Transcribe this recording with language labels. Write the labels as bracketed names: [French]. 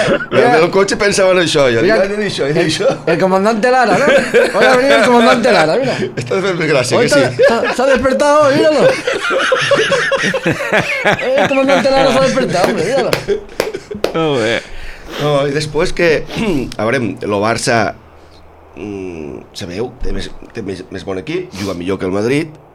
[Catalan] El cotxe pensava en això, jo. Mira, [Spanish] el comandante Lara, no? Hoy ha venido el comandante Lara, mira. [Catalan] Està fent més gràcia, que sí. S'ha despertat, [Spanish] míralo. Como no te la vas a despertar, hombre, díalo. Oh, yeah. No, y después que a ver, [Catalan] lo Barça se veu, té més bon equip, juga millor que el Madrid.